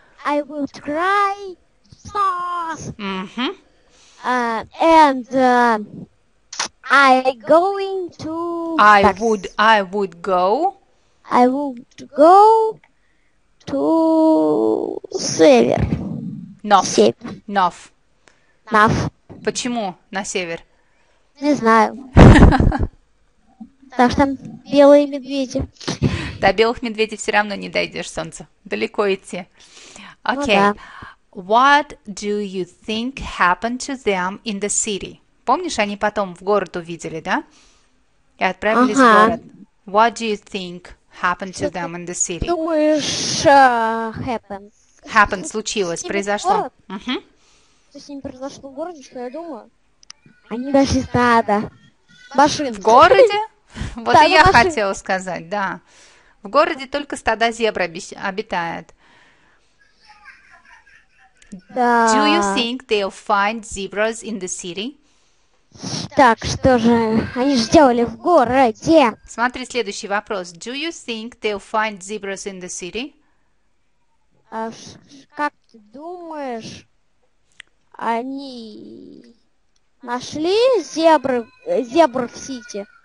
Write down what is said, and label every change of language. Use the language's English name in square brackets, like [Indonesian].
[English] I would cry sos. I would go to север. [Russian] Нов. Нов. Почему на север? Не знаю. Потому что там белые медведи. До белых медведей все равно не дойдешь, солнце. Далеко идти. Окей. [English] What do you think happened to them in the city? [Russian] Помнишь, они потом в город увидели, да? И отправились в город. [English] What do you think happened to them in the city? [Russian] Думаешь, happened. Happened, случилось, произошло. Что с ними произошло в городе, что я думаю? Они дошли стада. Машин. В городе? Вот и я хотела сказать, да. В городе только стада зебр обитает. Да. [English] Do you think they'll find zebras in the city? [Russian] Так, что же они сделали в городе? Смотри, следующий вопрос. [English] Do you think they'll find zebras in the city? [Russian] Как ты думаешь, они нашли зебры в сити?